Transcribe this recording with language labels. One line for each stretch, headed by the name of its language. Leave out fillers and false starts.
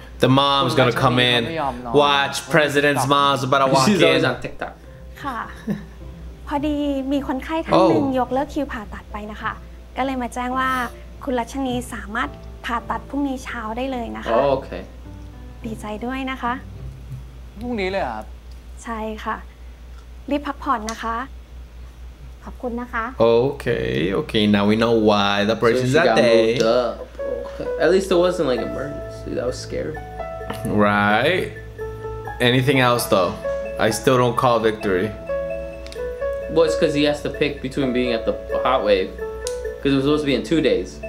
English: the mom's gonna come in watch president's mom's about to walk in she's always on TikTok
Thai: ค่ะพอดีมีคนไข้ท่านนึงยกเลิกคิวผ่าตัดไปนะคะก็เลยมาแจ้งว่าคุณรัชนีสามารถผ่าตัดพรุ่งนี้เช้าได้เลยนะคะ โอเค ดีใจด้วยนะคะ พรุ่งนี้เลยครับ ใช่ค่ะรีบพักผ่อนนะคะขอบคุณนะคะ
English: โอเคโอเค now we know why the operation that day at least it wasn't like emergency that was scary right anything else though I still don't call victory Well, it's because he has to pick between being at the hot wave. Because it was supposed to be in 2 days.